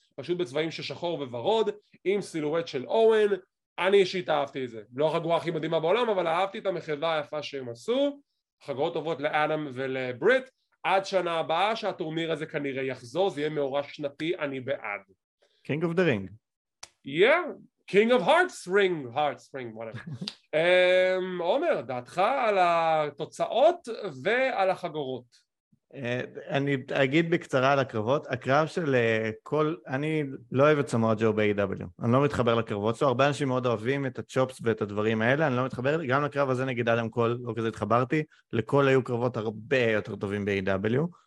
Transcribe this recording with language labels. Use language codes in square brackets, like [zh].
[he] פשוט בצבעים ששחור וורוד, עם סילואט של אוון, אני אישית אהבתי את זה. לא החגורה הכי מדהימה בעולם, אבל אהבתי את המחווה היפה שהם עשו. חגורות טובות לאדם ולבריט. עד שנה הבאה שהטורניר הזה כנראה יחזור, זה יהיה מאורע שנתי, אני בעד. [en] King of the ring. Yeah, King of hearts ring, hearts ring, whatever. [he] עומר, דעתך על התוצאות ועל החגורות. אני אגיד בקצרה על הקרבות, הקרב של כל, אני לא אוהב את סמואה ג'ו ב-AW, אני לא מתחבר לקרבות, זו הרבה אנשים מאוד אוהבים את הצ'ופס ואת הדברים האלה, אני לא מתחבר, גם לקרב הזה נגיד אדם קול, לא כזה התחברתי, לכל היו קרבות הרבה יותר טובים ב-AW.